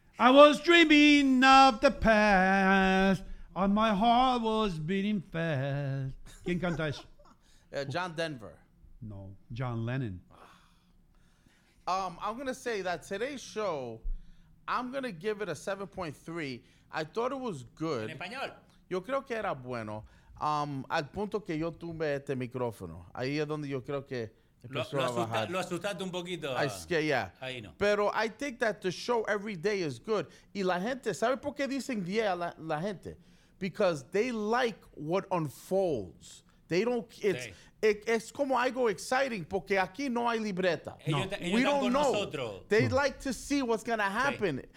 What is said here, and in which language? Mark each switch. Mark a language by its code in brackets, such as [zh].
[en] I was dreaming of the past, and my heart was beating fast. [es] ¿Quién canta eso? John Denver. No, John Lennon. [en] I'm going to say that today's show, I'm going to give it a 7.3. I thought it was good. [es] En español. Yo creo que era bueno, al punto que yo tumbé este micrófono. Ahí es donde yo creo que... Lo asustaste un poquito. Ahí no. Pero [en] I think that the show every day is good. [es] Y la gente, ¿sabe por qué dicen 10 a la gente? [en] Because they like what unfolds. They don't... [es] Es como algo exciting porque aquí no hay libreta. [en] We don't know. [es] Nosotros. [en] They like to see what's going to happen.